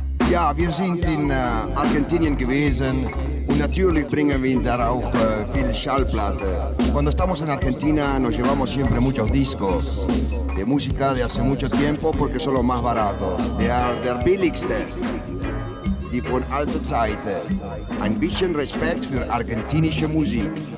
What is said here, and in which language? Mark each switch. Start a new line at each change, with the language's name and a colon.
German: Ja, wir sind in Argentinien gewesen und natürlich bringen wir da auch viel Schallplatte.
Spanish: Cuando estamos en Argentina nos llevamos siempre muchos discos de música de hace mucho tiempo porque son los más baratos.
German: Der billigste, die von alter Zeit. Ein bisschen Respekt für argentinische Musik.